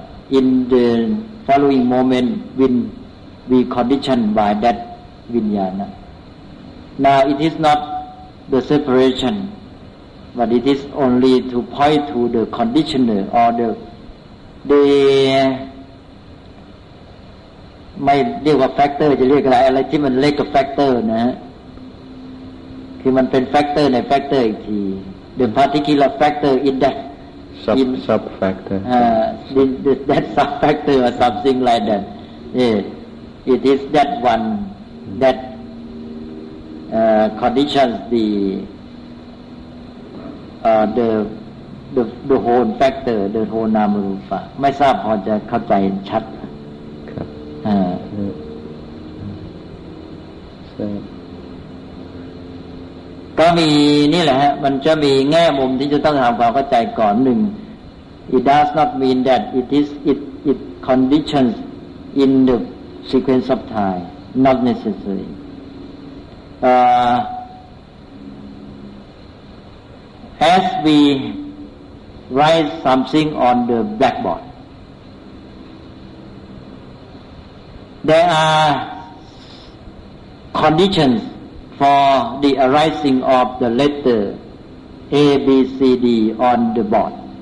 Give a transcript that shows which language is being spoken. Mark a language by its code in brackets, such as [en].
[en] In the following moment will be conditioned by that vijnana. Now it is not the separation, but it is only to point to the conditioner or the [th] ไม่เรียกว่า factor จะเรียกอะไรอะไรที่มันเรียกกับ factor นะฮะคือมันเป็น factor ใน factor อีกที [en] the particular factor in that Sub factor or something like that. It is that one that conditions the whole factor, the whole nama rupa. [th] ไม่ทราบพอจะเข้าใจชัด ครับ ก็มีนี่แหละฮะมันจะมีแง่มุมที่จะต้องทำความเข้าใจก่อนหนึ่ง [en] It does not mean that it conditions in the sequence of time, not necessary. As we write something on the blackboard, there are conditions for the arising of the letter A, B, C, D on the board.